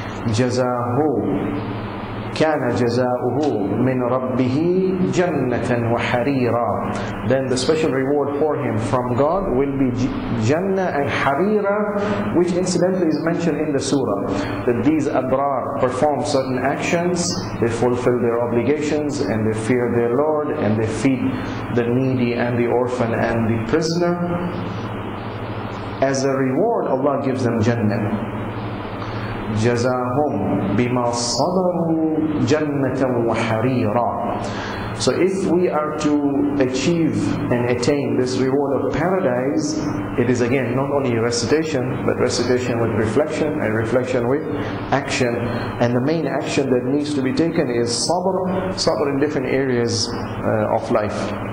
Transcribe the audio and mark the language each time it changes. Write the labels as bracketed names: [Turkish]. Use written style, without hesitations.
[Arabic] jazahu kana jazauhu min rabbihi jannatan wa harira, [English] then the special reward for him from God will be jannah and harira, which incidentally is mentioned in the surah, that these abrar perform certain actions, they fulfill their obligations and they fear their Lord and they feed the needy and the orphan and the prisoner. As a reward, Allah gives them jannah. [Arabic] جزاهم بما صبروا جنة وحريرا. [English] So if we are to achieve and attain this reward of paradise, it is again not only recitation, but recitation with reflection and reflection with action. And the main action that needs to be taken is sabr, sabr in different areas of life.